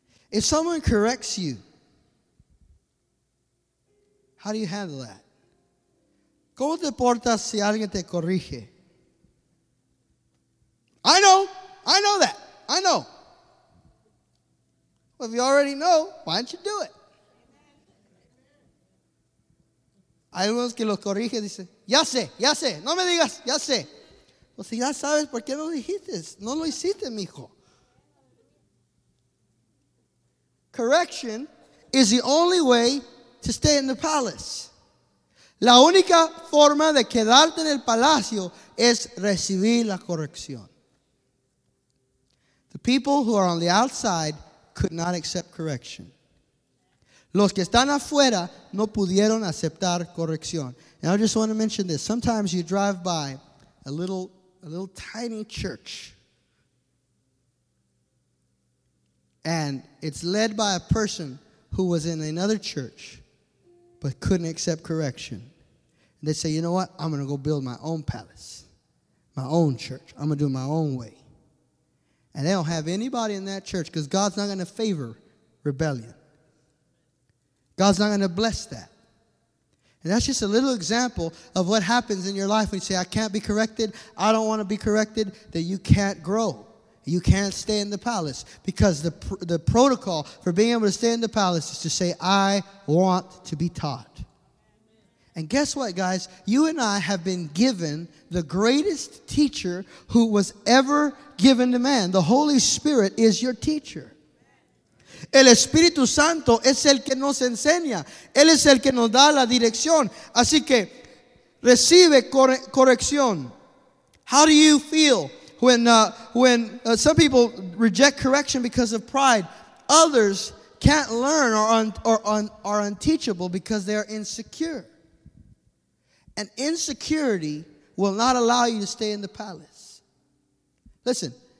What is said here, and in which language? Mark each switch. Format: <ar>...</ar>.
<en>If someone corrects you, how do you handle that?</en> <es>¿Cómo te portas si alguien te corrige?</es> <en>I know. I know that. I know. Well, if you already know, why don't you do it?</en> <es>Hay algunos que los corrige, dice, ya sé, no me digas, ya sé. Pues si ya sabes, ¿por qué no lo dijiste? No lo hiciste, mijo.</es> <en>Correction is the only way to stay in the palace.</en> <es>La única forma de quedarte en el palacio es recibir la corrección.</es> <en>The people who are on the outside could not accept correction.</en> <es>Los que están afuera no pudieron aceptar corrección.</es> <en>And I just want to mention this. Sometimes you drive by a little tiny church, and it's led by a person who was in another church but couldn't accept correction. And they say, you know what? I'm going to go build my own palace, my own church. I'm going to do it my own way. And they don't have anybody in that church because God's not going to favor rebellion. God's not going to bless that. And that's just a little example of what happens in your life when you say, I can't be corrected. I don't want to be corrected. That you can't grow. You can't stay in the palace. Because the protocol for being able to stay in the palace is to say, I want to be taught. And guess what, guys? You and I have been given the greatest teacher who was ever given to man. The Holy Spirit is your teacher.</en> <es>El Espíritu Santo es el que nos enseña. Él es el que nos da la dirección. Así que recibe corrección.</es> <en>How do you feel when some people reject correction because of pride? Others can't learn or are unteachable because they are insecure. And insecurity will not allow you to stay in the palace. Listen.</en>